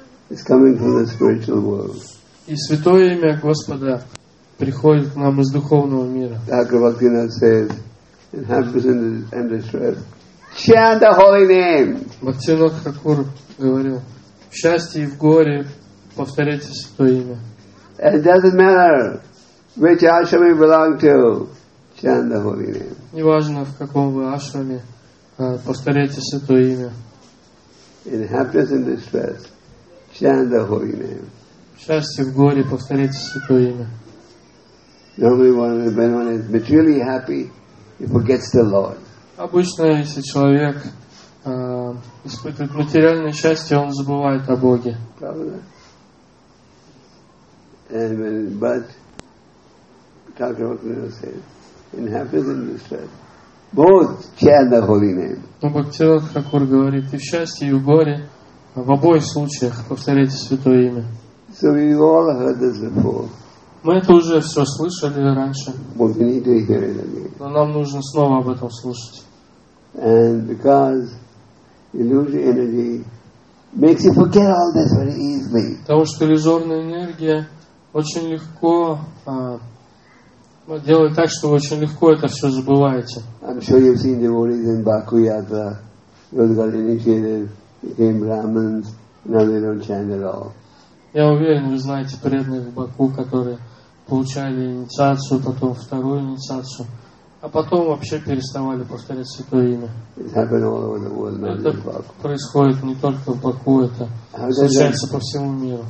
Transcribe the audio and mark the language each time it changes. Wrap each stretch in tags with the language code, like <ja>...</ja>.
<ru>И святое имя Господа приходит к нам из духовного мира. Бхактивинод Хакур говорил: в счастье и в горе повторяйте святое имя.</ru> <en>It doesn't matter which ashram you belong to. Chant the holy name.</en> <ru>Неважно, в каком вы ашраме, повторяйте святое имя.</ru> <en>In happiness and distress, chant the holy name.</en> <ru>В счастье, в горе, повторяйте святое имя.</ru> <en>Normally, when one is materially happy, he forgets the Lord.</en> <ru>Обычно, если человек испытывает материальное счастье, он забывает о Боге. Правда?</ru> <en>And when, but Thakur Bhaktivinoda says, in happiness and distress, both chant the holy name.</en> <ru>Но Бхактивинода Хакур говорит, и в счастье, и в горе, в обоих случаях повторяйте святое имя.</ru> <en>So we all heard this before.</en> <ru>Мы это уже все слышали раньше.</ru> <en>But we need to hear it again.</en> <ru>Но нам нужно снова об этом слушать.</ru> <en>And because illusory energy makes you forget all this very easily.</en> <ru>Потому что иллюзорная энергия очень легко делает так, что вы очень легко это все забываете.</ru> <en>I'm sure you've seen devotees in Bhakti Yatra. Those got initiated, became Brahmins, now they don't chant at all.</en> <ru>Я уверен, вы знаете преданных в Баку, которые получали инициацию, потом вторую инициацию, а потом вообще переставали повторять святое имя.</ru> <en>It happened all over the world, not</en> <ru>это</ru> <en>in Baku.</en> <ru>Происходит не только в Баку, это случается по всему миру.</ru>